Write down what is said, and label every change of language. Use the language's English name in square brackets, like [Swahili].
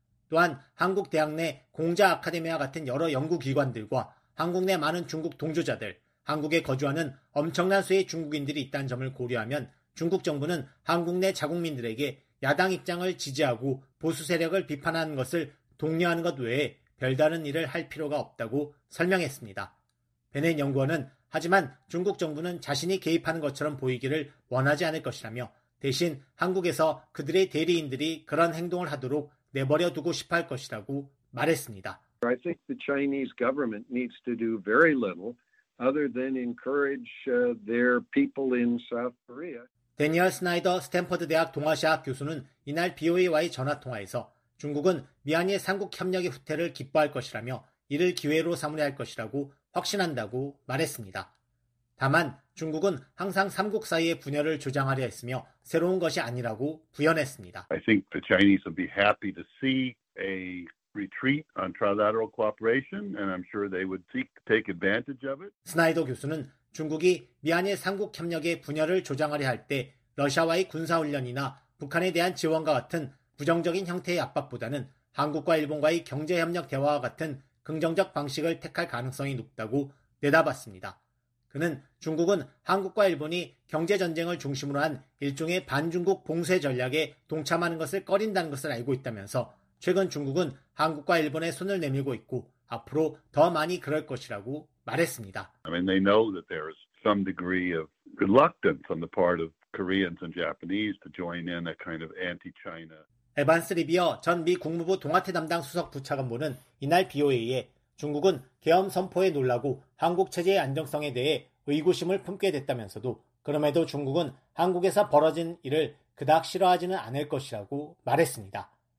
[Korean] 또한 한국 대학 내 공자 아카데미와 같은 여러 연구기관들과 한국 내 많은 중국 동조자들, 한국에 거주하는 엄청난 수의 중국인들이 있다는 점을 고려하면 중국 정부는 한국 내 자국민들에게 야당 입장을 지지하고 보수 세력을 비판하는 것을 독려하는 것 외에 별다른 일을 할 필요가 없다고 설명했습니다. 베넷 연구원은 하지만 중국 정부는 자신이 개입하는 것처럼 보이기를 원하지 않을 것이라며 대신 한국에서 그들의 대리인들이 그런 행동을 하도록 내버려 두고 싶어 할 것이라고 말했습니다. [English] I think the Chinese government needs to do very little other than encourage their people in South Korea. [Korean] 대니얼 스나이더 스탠퍼드 대학 동아시아 교수는 이날 BOA와의 전화통화에서 중국은 미안의 삼국협력의 후퇴를 기뻐할 것이라며 이를 기회로 삼으려 할 것이라고 확신한다고 말했습니다. 다만 중국은 항상 삼국 사이의 분열을 조장하려 했으며 새로운 것이 아니라고 부연했습니다. [English] I think the Chinese will be happy to see a retreat on trilateral cooperation and I'm sure they would seek to take advantage of it. [Korean] 스나이더 교수는 중국이 미안의 삼국협력의 분열을 조장하려 할 때 러시아와의 군사훈련이나 북한에 대한 지원과 같은 부정적인 형태의 압박보다는 한국과 일본과의 경제협력 대화와 같은 긍정적 방식을 택할 가능성이 높다고 내다봤습니다. 그는 중국은 한국과 일본이 경제전쟁을 중심으로 한 일종의 반중국 봉쇄 전략에 동참하는 것을 꺼린다는 것을 알고 있다면서 최근 중국은 한국과 일본에 손을 내밀고 있고 앞으로 더 많이 그럴 것이라고 말했습니다. [English] I mean, they know that there is some degree of reluctance on the part of Koreans and Japanese to join in a kind of anti-China. [Korean] 에반스 리비어 전 미 국무부 동아태 담당 수석 부차관보는 이날 BOA에 중국은 계엄 선포에 놀라고 한국 체제의 안정성에 대해 의구심을 품게 됐다면서도 그럼에도 중국은 한국에서 벌어진 일을 그닥 싫어하지는 않을 것이라고 말했습니다.